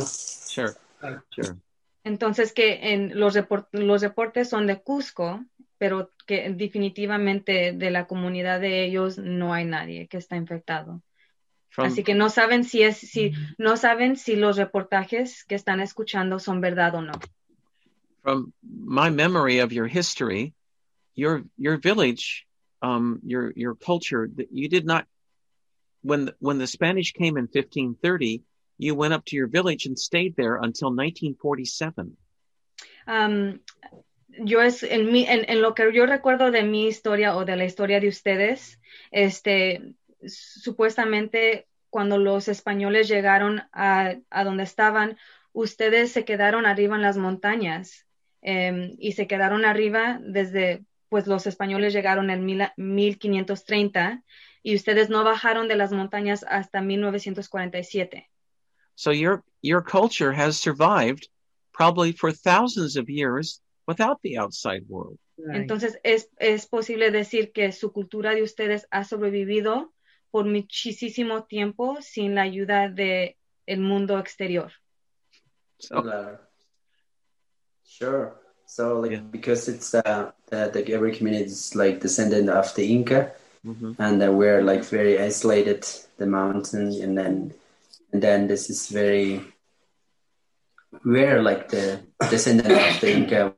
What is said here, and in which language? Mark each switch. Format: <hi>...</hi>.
<en>Sure.</en> <es>Entonces que en los reportes son de Cusco, pero que definitivamente de la comunidad de ellos no hay nadie que está infectado. Así que no saben si los reportajes que están escuchando son verdad o no.</es> <en>From my memory of your history, your village, your culture, you did not when the Spanish came in 1530, You went up to your village and stayed there until 1947.</en> <es>Yo es en mi en lo que yo recuerdo de mi historia o de la historia de ustedes, supuestamente cuando los españoles llegaron a donde estaban, ustedes se quedaron arriba en las montañas y se quedaron arriba desde, pues los españoles llegaron en 1530 y ustedes no bajaron de las montañas hasta 1947.</es> <en>So your culture has survived probably for thousands of years without the outside world. Right.</en> <es>Entonces es posible decir que su cultura de ustedes ha sobrevivido por muchísimo tiempo sin la ayuda de el mundo exterior.</es> <en>Sure. So like, yeah. Because it's the every community is like descendant of the Inca, mm-hmm. and that we're like very isolated, the mountain, and then this is very, we're like the descendant of the Inca.</en>